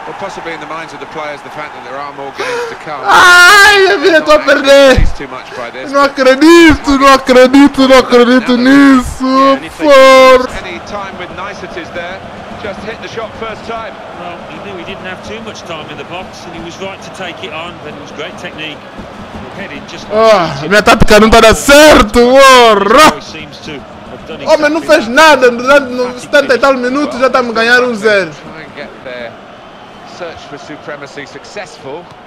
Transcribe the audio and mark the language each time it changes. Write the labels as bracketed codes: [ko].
[en] Possibly in the minds of the players the fact that there are more games to come. [pt] Ai, eu vim a perder! Não acredito, não acredito, não acredito nisso! Por... [en] Time with niceties there, just hit the shot first time. Well, he knew he didn't have too much time in the box, and he was right to take it on, but it was great technique. Heading just like [pt] minha tática não tá dando certo, porra! Homem, não fez nada, durante 70 e tal minutos já tá me ganhando 1-0. [en] Try and get their search for supremacy successful.